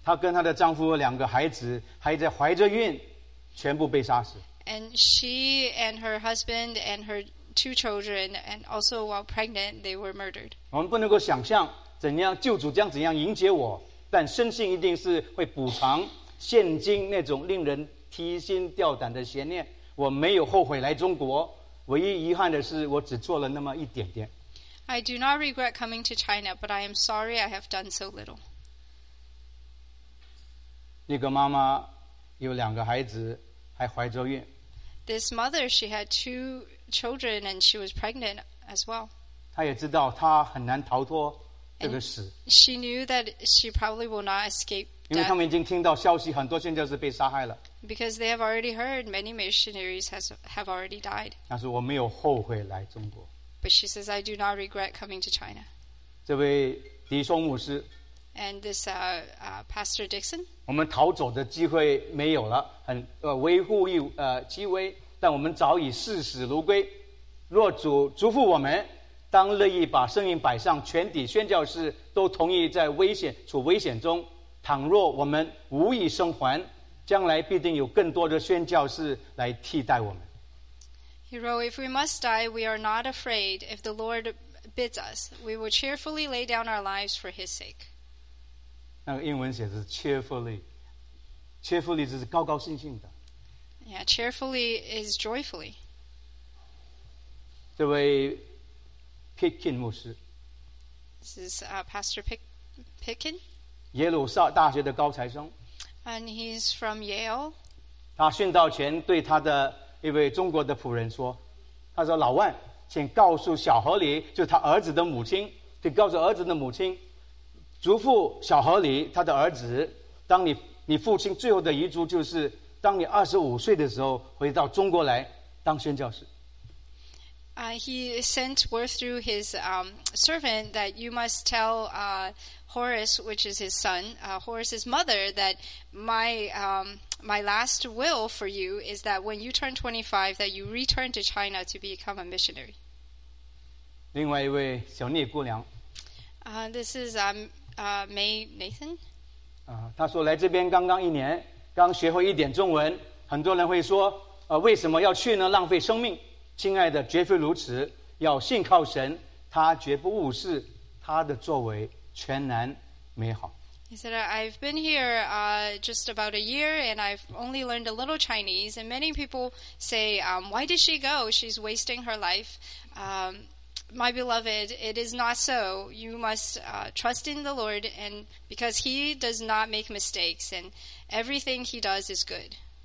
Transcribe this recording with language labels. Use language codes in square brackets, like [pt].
[zh] 她跟她的丈夫两个孩子还在怀着孕，全部被杀死。 [en] And she and her husband and her two children, and also while pregnant, they were murdered. [zh] 我们不能够想象怎样救主将怎样迎接我，但深信一定是会补偿现今那种令人提心吊胆的邪念。我没有后悔来中国，唯一遗憾的是我只做了那么一点点。 [en] I do not regret coming to China, but I am sorry I have done so little. [zh] 那个妈妈有两个孩子，还怀着孕。 [en] This mother, she had two children and she was pregnant as well. [zh] 她也知道她很难逃脱这个死。 [en] She knew that she probably will not escape death. [zh] 因为他们已经听到消息，很多宣教士被杀害了。 [en] Because they have already heard many missionaries have already died. [zh] 但是我没有后悔来中国。 [en] But she says, I do not regret coming to China. [zh] 这位迪松牧师。 [en] And this Pastor Dixon. [zh] 我们逃走的机会没有了，很微乎一其微，但我们早已视死如归。若主嘱咐我们，当乐意把生命摆上，全体宣教士都同意在危险中。倘若我们无以生还，将来必定有更多的宣教士来替代我们。 [en] He wrote, if we must die, we are not afraid. If the Lord bids us, we will cheerfully lay down our lives for His sake. [zh] 那个英文写的是 cheerfully. Cheerfully 就是高高兴兴的。 [en] Yeah, cheerfully is joyfully. [zh] 这位 Pitkin 牧师。 [en] This is Pastor Pitkin. [zh] 耶鲁撒大学的高材生。 [en] And he's from Yale. [zh] 他殉道前对他的一位中国的仆人说，他说，老万，请告诉小河里，就是他儿子的母亲，请告诉儿子的母亲，嘱咐小河里他的儿子，当你父亲最后的遗嘱就是，当你25岁的时候回到中国来当宣教士。 [en] He sent word through his servant that you must tell Horace, which is his son, Horace's mother, that my last will for you is that when you turn 25, that you return to China to become a missionary. [zh] 另外一位小聂姑娘。 [en] This is May Nathan. [zh] 她说来这边刚刚一年，刚学会一点中文，很多人会说，为什么要去呢？浪费生命。亲爱的，绝非如此，要信靠神，他绝不误事，他的作为全然美好。 [en] He said, I've been here just about a year and I've only learned a little Chinese. And many people say, why did she go? She's wasting her life. My beloved, it is not so. You must trust in the Lord and because He does not make mistakes and everything He does is good.